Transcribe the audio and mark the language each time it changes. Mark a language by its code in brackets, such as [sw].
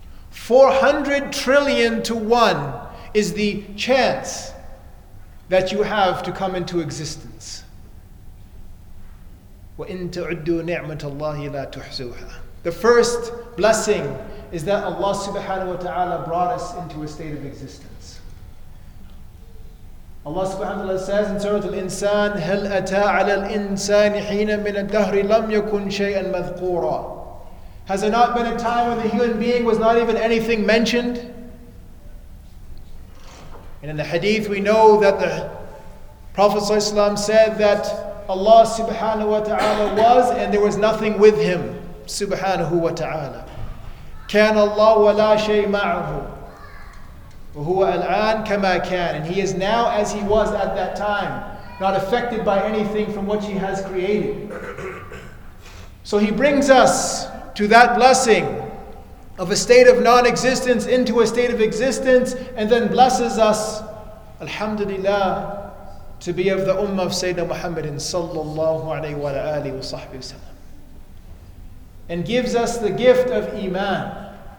[en] 400 trillion to one is the chance that you have to come into existence. [ar] وَإِن تَعُدُّوا نِعْمَةَ اللَّهِ لَا تُحْزُوهَا. [en] The first blessing is that Allah subhanahu wa ta'ala brought us into a state of existence. Allah subhanahu wa ta'ala says in Surah Al-Insan, [ar] هَلْ أَتَى عَلَى الْإِنسَانِ حِينَ مِنَ الدَّهْرِ لَمْ يَكُنْ شَيْئًا مَذْكُورًا. [en] Has there not been a time when the human being was not even anything mentioned? And in the hadith we know that the Prophet ﷺ said that Allah subhanahu wa ta'ala was and there was nothing with him. [ar] Subhanahu wa ta'ala. كان الله ولا شيء معه وهو الآن كما كان. [en] And he is now as he was at that time, not affected by anything from what he has created. So he brings us to that blessing of a state of non-existence into a state of existence, and then blesses us, alhamdulillah, to be of the ummah of Sayyidina Muhammad sallallahu alayhi wa alihi wa sahbihi wa sallam, and gives us the gift of iman.